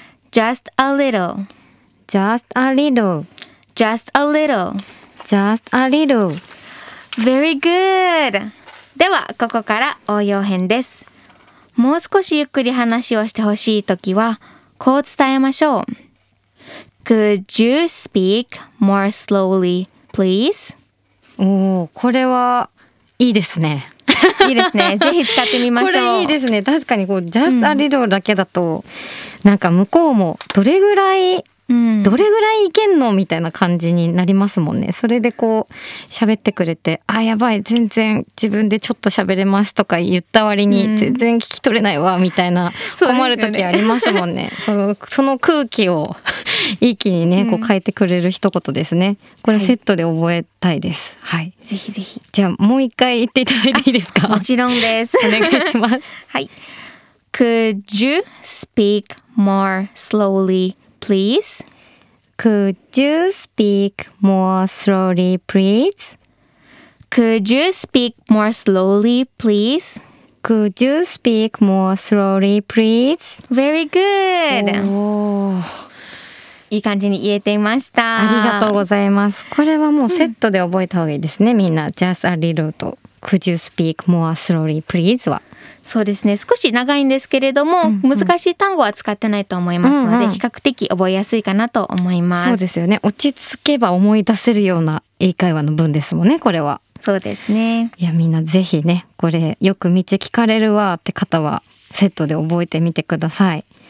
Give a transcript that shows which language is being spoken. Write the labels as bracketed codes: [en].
[en] Just a little. Just a little. Just a little. Just a little. Very good. [ja] ではここから応用編です。もう少しゆっくり話をしてほしいときはこう伝えましょう。 [en] Could you speak more slowly, please? [ja] おお、これはいいですね。いいですね。ぜひ使ってみましょう。これいいですね。確かにこう [en] Just a little [ja] だけだと、うん、なんか向こうもどれぐらい。うん、どれぐらいいけんのみたいな感じになりますもんね。それでこう喋ってくれて、あやばい全然自分でちょっと喋れますとか言った割に全然聞き取れないわみたいな、うん、困る時ありますもんね。その空気を一気にねこう変えてくれる一言ですね、うん、これセットで覚えたいです。はい、はい、ぜひぜひ。じゃあもう一回言っていただいていいですか？もちろんです。お願いします。はい。 [en] Could you speak more slowlyPlease. Could you speak more slowly, please? Could you speak more slowly, please? Could you speak more slowly, please? Very good. [ja] いい感じに言えていました。ありがとうございます。これはもうセットで覚えた方がいいですね、うん、みんな。 [en] Just a little と Could you speak more slowly, please? [ja] は。そうですね、少し長いんですけれども、うんうん、難しい単語は使ってないと思いますので、うんうん、比較的覚えやすいかなと思います。そうですよね、落ち着けば思い出せるような英会話の文ですもんね、これは。そうですね。いや、みんなぜひね、これよく道聞かれるわって方はセットで覚えてみてください。